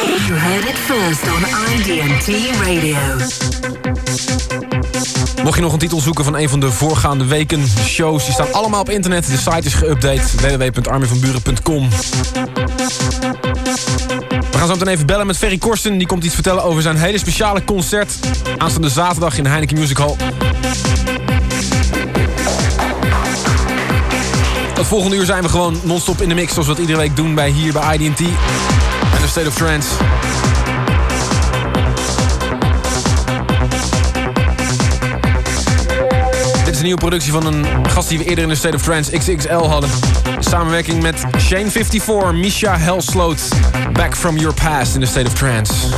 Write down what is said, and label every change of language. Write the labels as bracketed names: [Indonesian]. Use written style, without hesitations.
[English] You heard it first on IDNT Radio. [Dutch] Mocht je nog een titel zoeken van een van de voorgaande weken, de shows, die staan allemaal op internet. De site is geüpdate, www.armeevanburen.com. We gaan zo meteen even bellen met Ferry Korsten. Die komt iets vertellen over zijn hele speciale concert. Aanstaande zaterdag in de Heineken Music Hall. Het volgende uur zijn we gewoon non-stop in de mix, zoals we dat iedere week doen bij hier bij IDNT en de State of Trance. Een nieuwe productie van een gast die we eerder in de State of Trance XXL hadden. Samenwerking met Shane 54, Misha Helsloot. [English] Back from your past in the State of Trance.